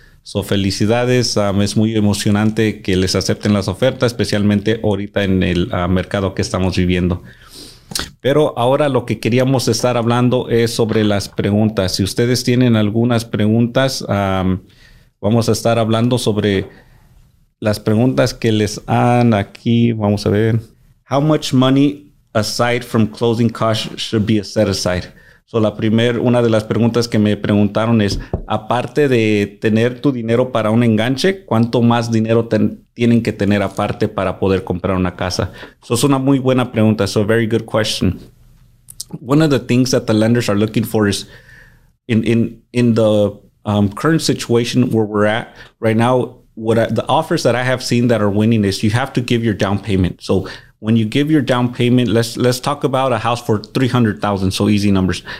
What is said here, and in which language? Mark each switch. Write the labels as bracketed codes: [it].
[es] So, felicidades. Es muy emocionante que les acepten las ofertas, especialmente ahorita en el mercado que estamos viviendo. Pero ahora lo que queríamos estar hablando es sobre las preguntas. Si ustedes tienen algunas preguntas, vamos a estar hablando sobre las preguntas que les han aquí. Vamos a ver. [en] How much money aside from closing costs should be set aside? [es] So la primera, una de las preguntas que me preguntaron es, aparte de tener tu dinero para un enganche, ¿cuánto más dinero tienen que tener aparte para poder comprar una casa? So es una muy buena pregunta. [en] So a very good question. One of the things that the lenders are looking for is in the current situation where we're at right now, the offers that I have seen that are winning is you have to give your down payment. So when you give your down payment, let's talk about a house for $300,000. So easy numbers.